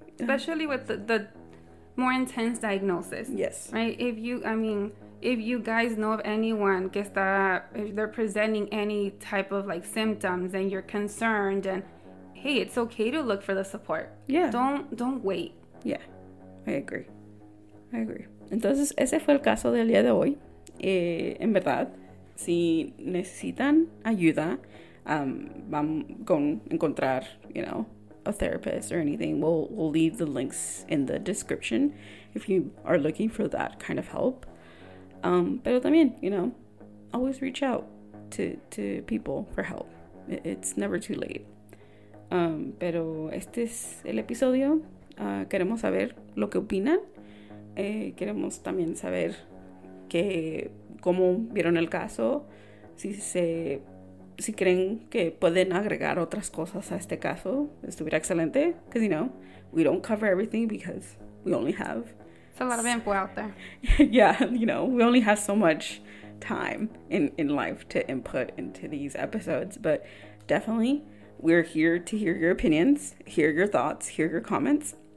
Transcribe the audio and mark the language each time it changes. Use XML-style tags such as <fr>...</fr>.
<en>Especially with the more intense diagnosis. Yes. Right? If you guys know of anyone,</en> <es>que está,</es> <en>if they're presenting any type of, like, symptoms and you're concerned, and hey, it's okay to look for the support. Yeah. Don't wait. Yeah. I agree.</en> <es>Entonces, ese fue el caso del día de hoy. En verdad, si necesitan ayuda, van con encontrar,</es> <en>you know, a therapist or anything. We'll leave the links in the description if you are looking for that kind of help.</en> <es>Pero también,</es> <en>you know, always reach out to people for help. It's never too late.</en> <es>Pero este es el episodio. Queremos saber lo que opinan. Queremos también saber que cómo vieron el caso, si creen que pueden agregar otras cosas a este caso, estuviera excelente.</es> <en>Because, you know, we don't cover everything because we only have... It's a lot of info out there. Yeah, you know, we only have so much time in life to input into these episodes. But definitely, we're here to hear your opinions, hear your thoughts, hear your comments.</en>